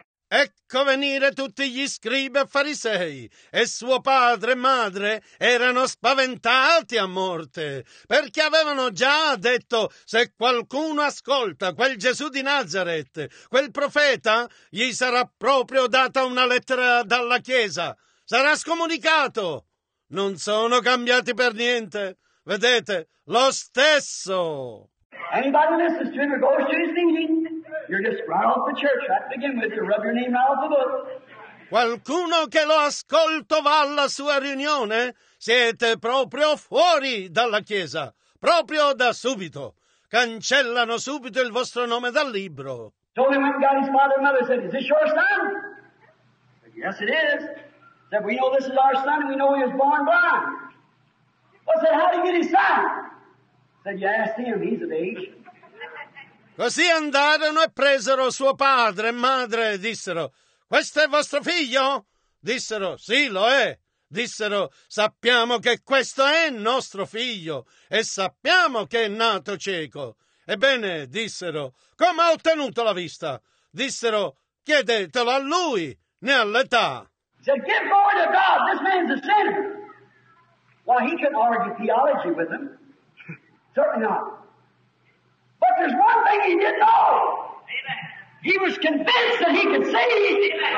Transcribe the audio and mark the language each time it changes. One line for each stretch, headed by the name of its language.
Italian: Ecco venire tutti gli scribi e farisei, e suo padre e madre erano spaventati a morte, perché avevano già detto, se qualcuno ascolta quel Gesù di Nazareth, quel profeta, gli sarà proprio data una lettera dalla Chiesa, sarà scomunicato. Non sono cambiati per niente, vedete, lo stesso.
English: Anybody listens to him or goes to his meeting, you're just right off the church right to begin with. You rub your name out of the book.
Italian: Qualcuno che lo ascolto va alla sua riunione, siete proprio fuori dalla chiesa, proprio da subito. Cancellano subito il vostro nome dal libro.
English: So they went and got his father and mother and said, is this your son? Said, yes, it is. Said, we know this is our son and we know he was born blind. Well, said, how did he get his sight? Said, you ask him, he's of age.
Italian: Così andarono e presero suo padre e madre e dissero, questo è vostro figlio? Dissero, sì, lo è. Dissero, sappiamo che questo è nostro figlio e sappiamo che è nato cieco. Ebbene, dissero, come ha ottenuto la vista? Dissero, chiedetelo a lui, né all'età.
English: Said, give glory to God, this man's a sinner. Well, he can argue theology with him. Certainly not. But there's one thing he didn't know. Amen. He was convinced that he could see.